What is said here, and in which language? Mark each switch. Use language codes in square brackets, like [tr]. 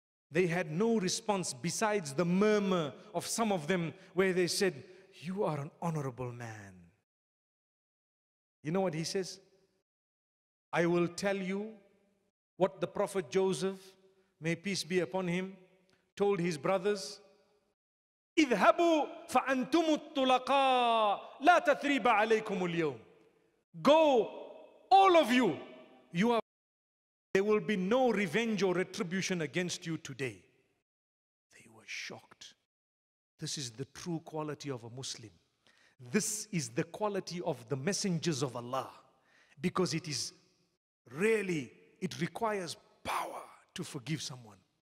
[en] They had no response besides the murmur of some of them where they said, you are an honorable man. You know what he says? I will tell you what the Prophet Joseph, may peace be upon him, told his brothers, [ar] اذهبوا فأنتم الطلقاء لا تثريب عليكم اليوم. [en] Go, all of you. You are. There will be no revenge or retribution against you today. They were shocked. This is the true quality of a Muslim. This is the quality of the messengers of Allah. Because it is really, it requires power to forgive someone.